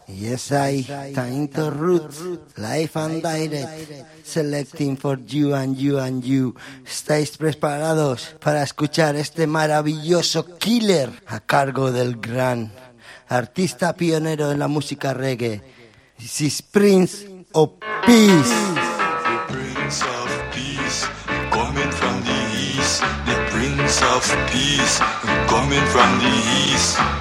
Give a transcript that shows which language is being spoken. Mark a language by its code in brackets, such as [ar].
[en] Time to Roots, live and direct, selecting for you and you and you. [es] ¿Estáis preparados para escuchar este maravilloso killer a cargo del gran artista pionero en la música reggae? [en] This is Prince of Peace. The Prince of Peace, coming from the east. The Prince of Peace, coming from the east.